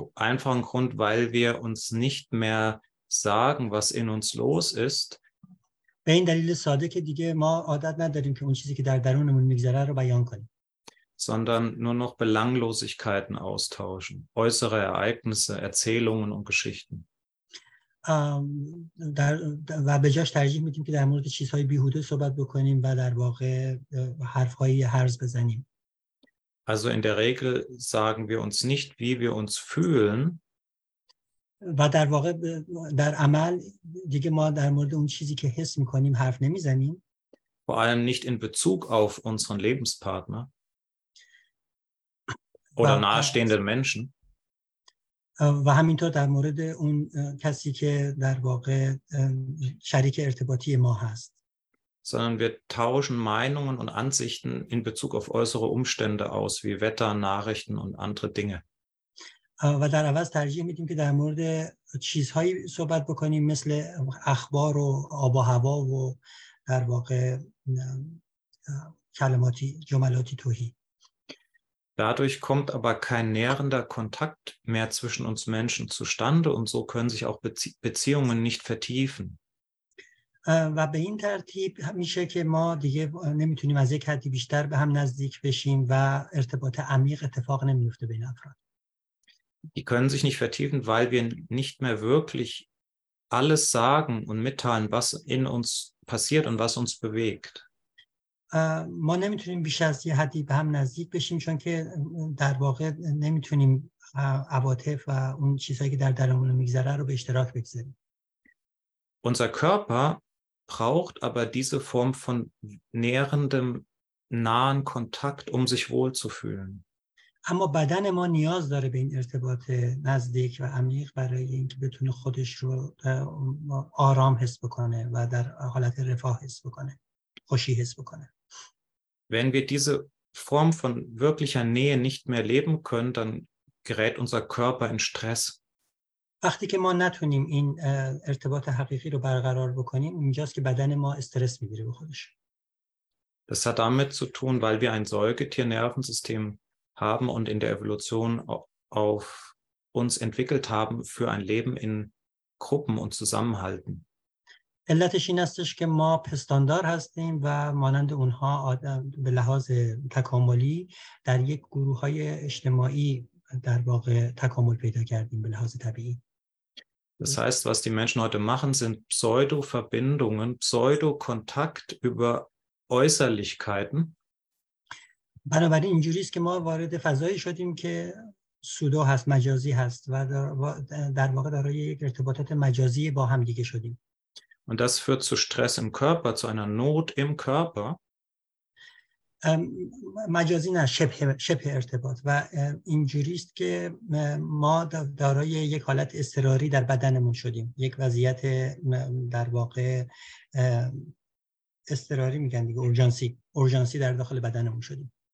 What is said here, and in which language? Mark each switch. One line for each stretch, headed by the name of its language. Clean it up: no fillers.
German: einfachen Grund, weil wir uns nicht mehr sagen, was in uns los ist.
Persian: به این دلیل ساده که دیگه ما عادت نداریم که اون چیزی که در درونمون میگذره رو بیان کنیم.
German: Sondern nur noch Belanglosigkeiten austauschen, äußere Ereignisse, Erzählungen und Geschichten. Also in der Regel sagen wir uns nicht, wie wir uns fühlen.
Persian: و در واقع در عمل دیگه ما در مورد اون چیزی که حس میکنیم حرف نمیزنیم.
German: Vor allem nicht in Bezug auf unseren Lebenspartner. Oder nahestehenden Menschen.
Persian: و همینطور در مورد اون کسی که در واقع شریک ارتباطی ما هست.
German: Sondern wir tauschen Meinungen und Ansichten in Bezug auf äußere Umstände aus, wie Wetter, Nachrichten und andere Dinge.
Persian: و در عوض ترجیح میدیم که در مورد چیزهایی صحبت بکنیم مثل اخبار و آب و هوا و در واقع کلماتی جملاتی توهی.
German: Dadurch kommt aber kein nährender Kontakt mehr zwischen uns Menschen zustande und so können sich auch Beziehungen nicht vertiefen.
Persian: و به این ترتیب میشه که ما دیگه نمیتونیم از یک حدی بیشتر به هم نزدیک بشیم و ارتباط عمیق اتفاق نمیفته بین افراد.
German: Die können sich nicht vertiefen, weil wir nicht mehr wirklich alles sagen und mitteilen, was in uns passiert und was uns bewegt.
Persian: ما نمیتونیم بیش از یه حدی به هم نزدیک بشیم چون که در واقع نمیتونیم عواطف و اون چیزایی که در درونمون میگذره رو به اشتراک بگذاریم.
German: Unser Körper braucht aber diese Form von nährendem, nahen Kontakt, um sich wohl zu fühlen.
Persian: اما بدن ما نیاز داره به این ارتباط نزدیک و عمیق برای اینکه بتونه خودش رو آرام حس بکنه و در حالت رفاه حس بکنه، خوشی حس بکنه.
German: Wenn wir diese Form von wirklicher Nähe nicht mehr leben können, dann gerät unser Körper in Stress.
Persian: وقتی که ما نتونیم این ارتباط حقیقی رو برقرار بکنیم، اینجاست که بدن ما استرس میگیره به خودش.
German: Das hat damit zu tun, weil wir ein Säugetier-Nervensystem haben und in der Evolution auf uns entwickelt haben für ein Leben in Gruppen und Zusammenhalten.
Persian: علتش این استش که ما پستاندار هستیم و مانند اونها آدم به لحاظ تکاملی در یک گروه های اجتماعی در واقع تکامل پیدا کردیم به لحاظ طبیعی.
German: Das heißt, was die Menschen heute machen, sind Pseudo-Verbindungen, Pseudo-Kontakt über Äußerlichkeiten.
Persian: بنابراین اینجوریست که ما وارد فضایی شدیم که سودو هست، مجازی هست و در واقع دارای یک ارتباطات مجازی با هم دیگه شدیم.
German: Und das führt zu Stress im Körper, zu einer Not im Körper.
Persian: مجازی نه، شبه ارتباط و اینجوری است که ما دارای یک حالت اضطراری در بدنمون شدیم، یک وضعیت در واقع اضطراری میگن دیگه، اورژانسی در داخل بدنمون شدیم.